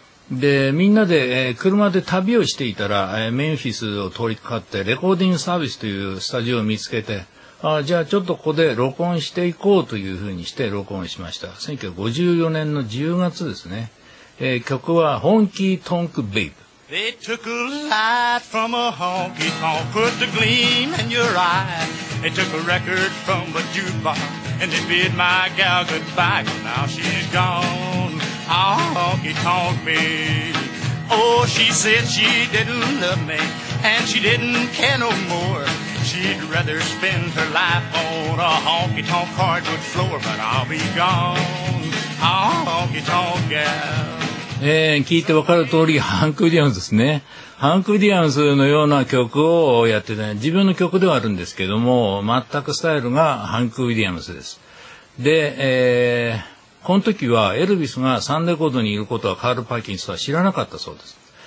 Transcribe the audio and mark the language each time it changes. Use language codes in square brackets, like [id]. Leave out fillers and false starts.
[ja] で、みんなで、車で旅をしていたら、メンフィスを通りかかって、レコーディングサービスというスタジオを見つけて、じゃあちょっとここで録音していこうというふうにして録音しました。 1954年の10月ですね。曲は、ホンキートンクベイブ。 [en] They took a light from a honky tonk, put the gleam in your eye. They took a record from a jukebox, and they bid my gal goodbye, but now she's gone. Honky tonk babe. Oh, she said she didn't love me and she didn't care no more. She'd rather spend her life on a honky tonk hardwood floor, but I'll be gone. Honky tonk gal. [ja] 聞いてわかる通りハンク・ウィリアムズですね。ハンク・ウィリアムズのような曲をやってた、自分の曲ではあるんですけども、全くスタイルがハンク・ウィリアムズです。で、この時はエルビスがサンレコードにいることはカール・パーキンスは知らなかったそうです。